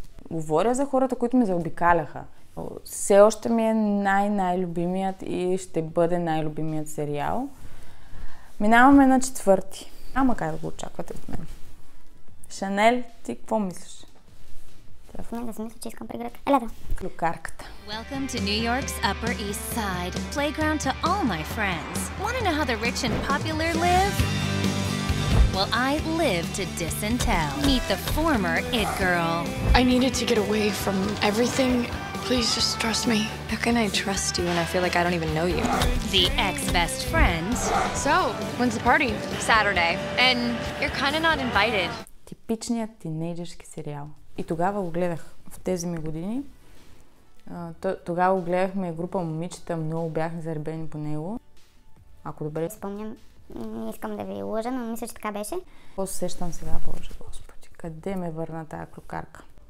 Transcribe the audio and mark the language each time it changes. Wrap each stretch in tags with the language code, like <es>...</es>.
<bg>Говоря за хората, които ме заобикаляха. Все още ми е най-любимият и ще бъде най-любимият сериал. Минаваме на четвърти. Ама как да го очаквате от мен? Шанел, ти какво мислиш? В момента си мисля, че искам преград. Еле да.</bg> <en>Клюкарката. Welcome to New York's Upper East Side. Playground to all my friends. Want to know how the rich and popular live? Well, I live to diss and tell. Meet the former It Girl. I needed to get away from everything. Please just trust me. How can I trust you when I feel like I don't even know you? The ex-best friend. So, when's the party? Saturday. And you're kind of not invited.</en> <bg>Типичният тинейджерски сериал. И тогава го гледах в тези ми години. Тогава го гледахме група момичета, много бяхме заребени по него. Ако добре... Спомням, не искам да ви лъжа, но мисля, че така беше. Посещам сега, Боже Господи, къде ме върна тая клюкарка?</bg>